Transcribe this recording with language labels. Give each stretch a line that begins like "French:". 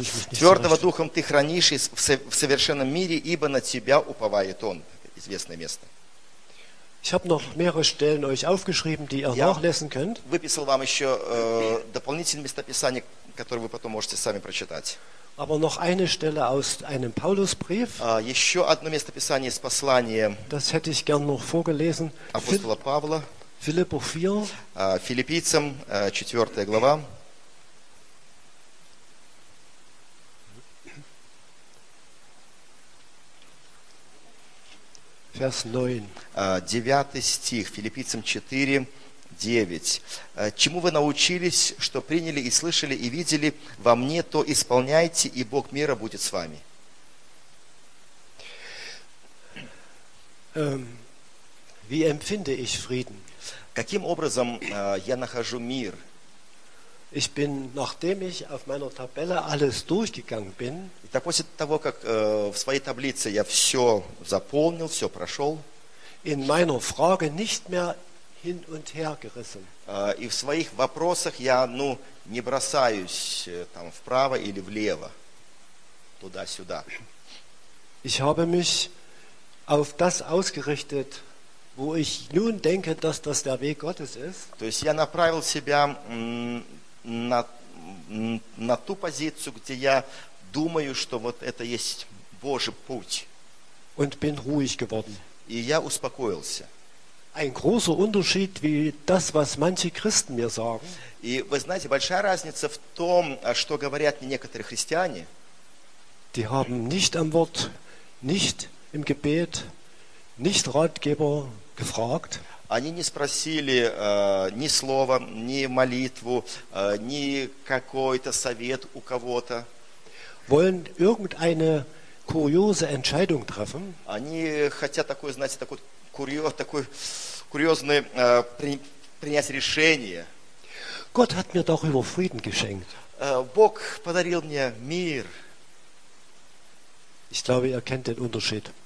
Russian: Твердого духом ты хранишь в совершенном мире, ибо на тебя уповает он. Известное место.
German: Ich habe noch mehrere Stellen euch aufgeschrieben, die ihr nachlesen könnt.
Russian: Выписал вам еще дополнительные места Писания, который вы потом можете сами прочитать.
German: Aber noch eine Stelle aus einem Paulusbrief.
Russian: Еще одно местописание из послания.
German: Das hätte ich gern noch vorgelesen.
Russian: Апостола Павла. Филиппов 4. Филиппийцам 4 глава.
German: Vers 9.
Russian: 9 стих. Филиппийцам 4. 9. «Чему вы научились, что приняли и слышали и видели во мне, то исполняйте, и Бог мира будет с вами».
German: Wie empfinde ich Frieden?
Russian: Каким образом я нахожу мир?
German: Ich bin, nachdem ich auf meiner Tabelle alles durchgegangen bin,
Russian: Итак, после того, как в своей таблице я все заполнил, все прошел,
German: in meiner Frage nicht mehr hin und her gerissen.
Russian: И в своих вопросах я, ну, не бросаюсь там вправо или влево, туда-сюда.
German: Ich habe mich auf das ausgerichtet, wo ich nun denke, dass das der Weg Gottes ist.
Russian: То есть я направил себя на, на ту позицию, где я думаю, что вот это есть Божий путь.
German: Und bin ruhig geworden.
Russian: И я успокоился.
German: Ein großer Unterschied wie das, was manche Christen mir sagen.
Russian: И вы знаете, большая разница в том, что говорят мне некоторые христиане.
German: Die haben nicht am Wort, nicht im Gebet, nicht Ratgeber gefragt.
Russian: Они не спросили ни слова, ни молитву, ни какой-то совет у кого-то.
German: Wollen irgendeine kuriose Entscheidung treffen?
Russian: Они хотят такой, знаете, такой курьезное принять решение.
German: Gott hat mir darüber Frieden geschenkt.
Russian: Бог подарил мне мир.
German: Ich glaube, ihr kennt den Unterschied.